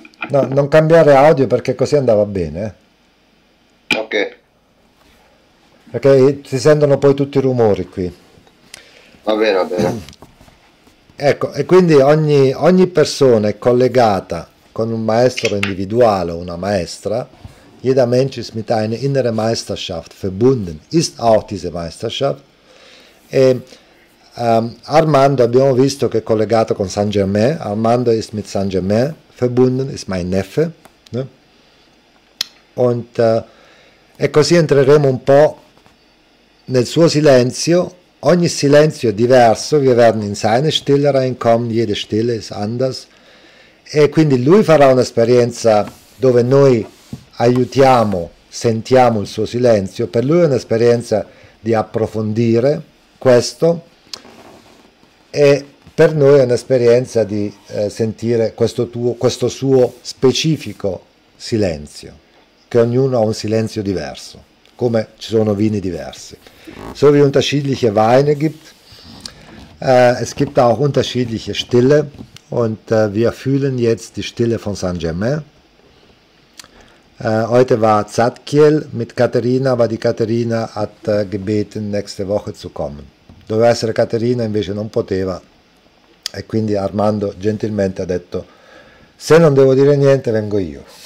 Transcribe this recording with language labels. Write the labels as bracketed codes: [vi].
[it] No, non cambiare audio perché così andava bene. Ok. Perché si sentono poi tutti i rumori qui. Va bene, va bene. Ecco, e quindi ogni persona è collegata con un maestro individuale, una maestra. [de] Jeder Mensch ist mit einer innere Meisterschaft verbunden, ist auch diese Meisterschaft. [it] E Armando, abbiamo visto che è collegato con Saint Germain. [de] Armando ist mit Saint Germain verbunden, ist mein Neffe, ne? [it] Und e così entreremo un po' nel suo silenzio. Ogni silenzio è diverso. [de] Wir werden in seine Stille reinkommen, jede Stille ist anders. [it] E quindi lui farà un'esperienza dove noi aiutiamo, sentiamo il suo silenzio. Per lui è un'esperienza di approfondire questo, e per noi è un'esperienza di sentire questo suo specifico silenzio, che ognuno ha un silenzio diverso, come ci sono vini diversi. [de] So wie unterschiedliche Weine gibt, es gibt auch unterschiedliche Stille, und wir fühlen jetzt die Stille von Saint-Germain. Heute war Zadkiel mit Katharina, aber die Katharina hat gebeten, nächste Woche zu kommen. [it] Doveva essere Katharina, invece non poteva. E quindi Armando gentilmente ha detto: se non devo dire niente, vengo io.